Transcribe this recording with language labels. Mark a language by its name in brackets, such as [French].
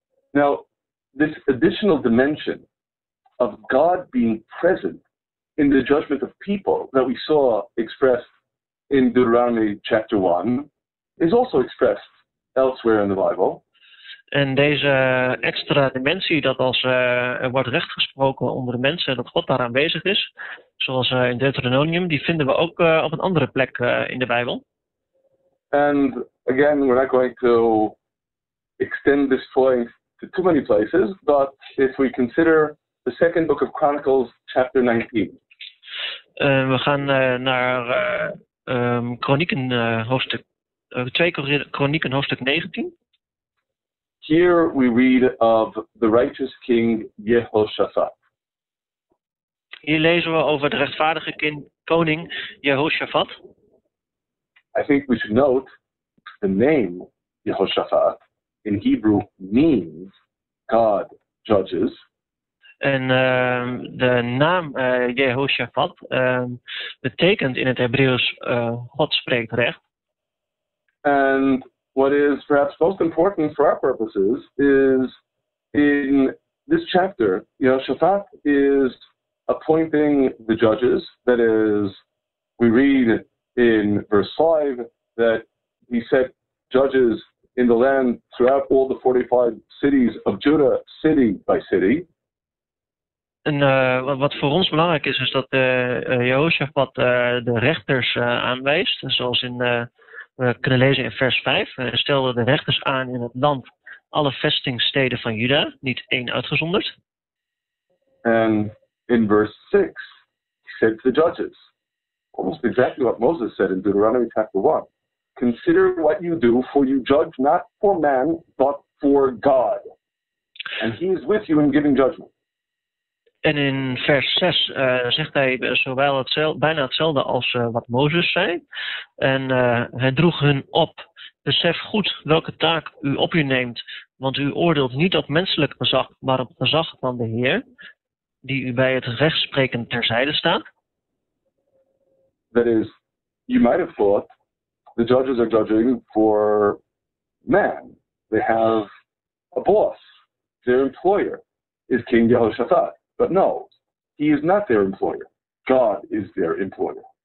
[English] Now, this additional dimension of God being present in the judgment of people that we saw expressed in Deuteronomy chapter 1 is also expressed elsewhere in the Bible. [Dutch] En deze extra dimensie, dat als er wordt recht gesproken onder de mensen, dat God daar aanwezig is, zoals in Deuteronomium, die vinden we ook op een andere plek in de Bijbel. [English] And again, we're not going to extend this point to too many places, but if we consider the second book of Chronicles, chapter 19. [Dutch] We gaan naar Kronieken, hoofdstuk 2 Kronieken, hoofdstuk 19. [English] Here we read of the righteous king Jehoshaphat. [Dutch] Hier lezen we over de rechtvaardige koning Jehoshaphat. [English] I think we should note the name Jehoshaphat in Hebrew means God judges. [Dutch] En de naam Jehoshaphat betekent in het Hebreeuws God spreekt recht. [English] And what is perhaps most important for our purposes is in this chapter, Jehoshaphat is appointing the judges. That is, we read in verse 5 that he set judges in the land throughout all the 45 cities of Judah, city by city. [Dutch] En wat voor ons belangrijk is, is dat Jehoshaphat de rechters aanwijst, zoals in we kunnen lezen in vers 5. Hij stelde de rechters aan in het land, alle vestingsteden van Juda, niet één uitgezonderd. En in vers 6, [English] he said to the judges, almost exactly what Moses said in Deuteronomy chapter 1, consider what you do, for you judge not for man, but for God. And he is with you in giving judgment. [Dutch] En in vers 6 zegt hij zowel bijna hetzelfde als wat Mozes zei. En hij droeg hun op. Besef goed welke taak u op u neemt, want u oordeelt niet op menselijk gezag, maar op gezag van de Heer, die u bij het rechtspreken terzijde staat. [English] That is, you might have thought, the judges are judging for man. They have a boss. Their employer is King Jehoshaphat. But no, he is not their employer. God is their employer.